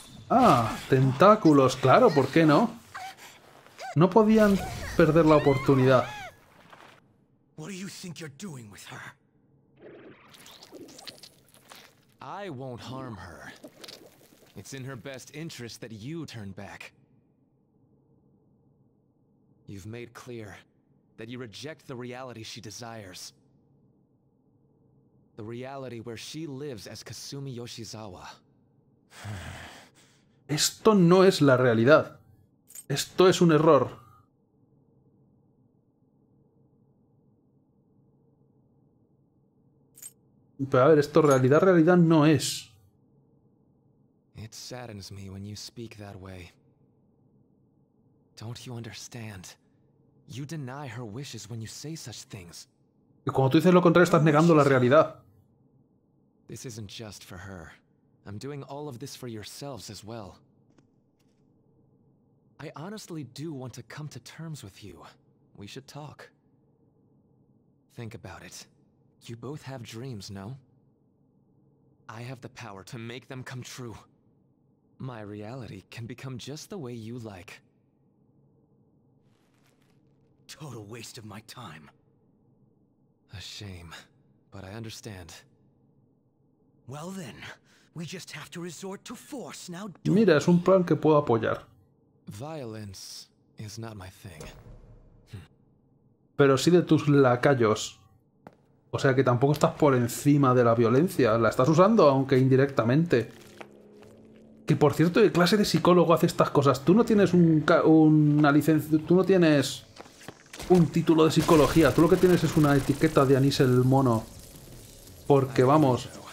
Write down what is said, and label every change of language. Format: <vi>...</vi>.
<es>¡Ah! Tentáculos, claro, ¿por qué no? No podían perder la oportunidad. ¿Qué crees que estás haciendo con ella?</es> <en>I won't harm her. It's in her best interest that you turn back. You've made clear that you reject the reality she desires. The reality where she lives as Kasumi Yoshizawa.</en> <es>Esto no es la realidad. Esto es un error. Pero a ver, esto realidad, realidad no es.</es> <en>It saddens me when you speak that way. Don't you understand? You deny her wishes when you say such things.</en> <es>Y cuando tú dices lo contrario, estás negando la realidad.</es> <en>This isn't just for her. I'm doing all of this for yourselves as well. I honestly do want to come to terms with you. We should talk. Think about it. You both have dreams, no? I have the power to make them come true. My reality can become just the way you like. Total waste of my time. A shame, but I understand. Well then, we just have to resort to force now, don't we?</en> <es>Mira, es un plan que puedo apoyar.</es> <en>Violence is not my thing.</en> <es>Pero sí de tus lacayos. O sea que tampoco estás por encima de la violencia, la estás usando, aunque indirectamente. Que por cierto, ¿qué clase de psicólogo hace estas cosas? Tú no tienes una licencia, tú no tienes un título de psicología, tú lo que tienes es una etiqueta de anís el mono. Porque vamos...</es>